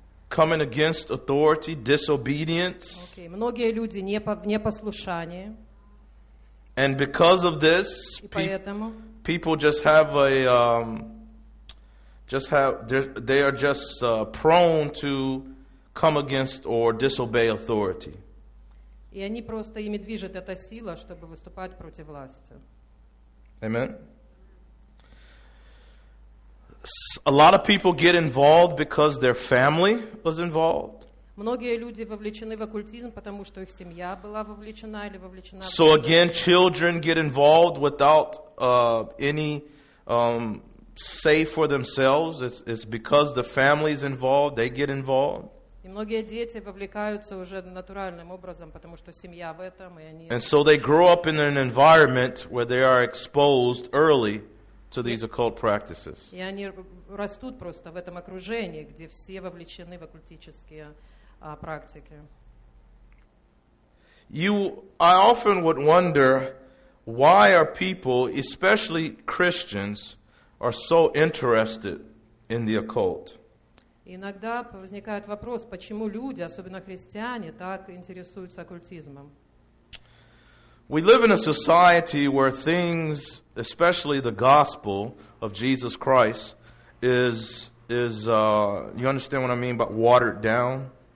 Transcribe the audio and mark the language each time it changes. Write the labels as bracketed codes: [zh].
[en] Coming against authority, disobedience. Okay. [ru] Многие люди не в непослушании. [en] And because of this, people just have a just have they are just prone to come against or disobey authority. [ru] И они просто ими движет эта сила, чтобы выступать против власти. [en] Amen. A lot of people get involved because their family was involved. [ru] Многие люди вовлечены в оккультизм, потому что их семья была вовлечена или вовлечена. [en] So again, children get involved without any say for themselves. It's because the family is involved, they get involved. [ru] И многие дети вовлекаются уже натуральным образом, потому что семья в этом, и они. [en] And so they grow up in an environment where they are exposed early to these occult practices. [ru] И они растут просто в этом окружении, где все вовлечены в оккультические практики. [en] I often would wonder why are people, especially Christians, are so interested in the occult. [ru] Иногда возникает вопрос, почему люди, особенно христиане, так интересуются оккультизмом. [en] We live in a society where things, especially the gospel of Jesus Christ, is you understand what I mean by watered down?